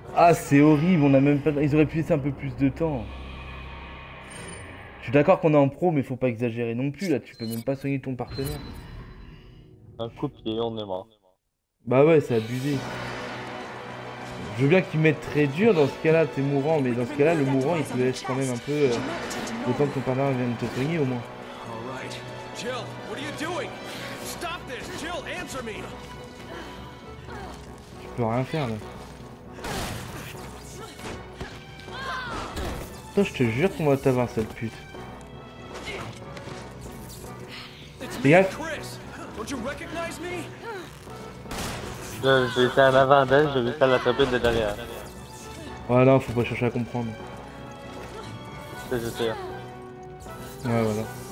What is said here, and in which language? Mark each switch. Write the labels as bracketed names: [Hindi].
[French] Ah c'est horrible, on a même pas. Ils auraient pu laisser un peu plus de temps. Je suis d'accord qu'on est en pro, mais faut pas exagérer non plus là, tu peux même pas soigner ton partenaire. Un coup de pied, on est mort. Bah ouais, c'est abusé. Je veux bien qu'ils mettent très dur, dans ce cas-là t'es mourant, mais dans ce cas-là, le mourant il te laisse quand même un peu. Le temps que ton partenaire vienne te soigner au moins. [English] Jill, what are you doing? Stop this, Jill, answer me. [French] Tu peux rien faire là. Toi, je te jure qu'on va t'avoir, cette pute. Regarde. [English] Chris, don't you recognize me? [French] J'étais en avant d'elle, je vais faire la tapette de derrière. Ouais, non, faut pas chercher à comprendre. C'est sûr. Ouais, voilà.